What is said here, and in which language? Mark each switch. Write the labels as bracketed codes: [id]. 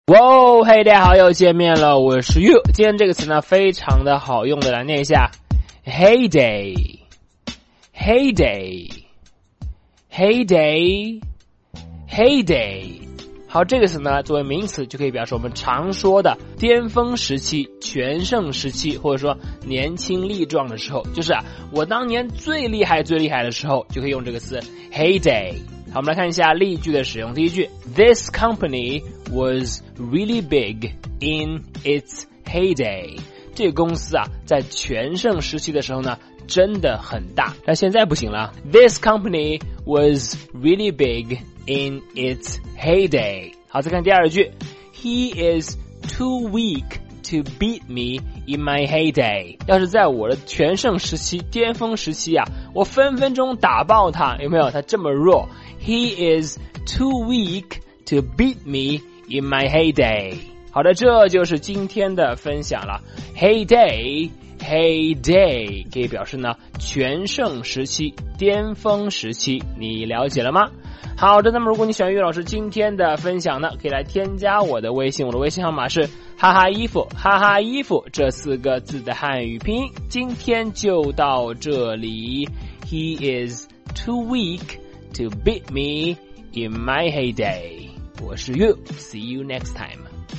[zh] 哇哦，嘿，大家好，又见面了，我是 You。今天这个词呢非常的好用的，来念一下 Heyday Heyday Heyday Heyday。好，这个词呢作为名词就可以表示我们常说的巅峰时期、全盛时期，或者说年轻力壮的时候，就是啊，我当年最厉害最厉害的时候，就可以用这个词 Heyday。好，我们来看一下例句的使用。第一句， [en] This company was really big in its heyday。 [zh] 这个公司啊在全盛时期的时候呢真的很大，但现在不行了。 [en] This company was really big in its heyday。 [zh] 好，再看第二句， [en] He is too weak to beat me in my heyday。 [zh] 要是在我的全盛时期、巅峰时期啊，我分分钟打爆他，有没有？他这么弱。 [en] He is too weak to beat me in my heyday。 [zh] 好的，这就是今天的分享了。Heyday Heyday 可以表示呢全盛时期、巅峰时期，你了解了吗？好的，那么如果你喜欢于老师今天的分享呢，可以来添加我的微信，我的微信号码是哈哈衣服，哈哈衣服这四个字的汉语拼音。今天就到这里。 [en] He is too weakTo beat me in my heyday. [zh] 我是 [en] You. See you next time.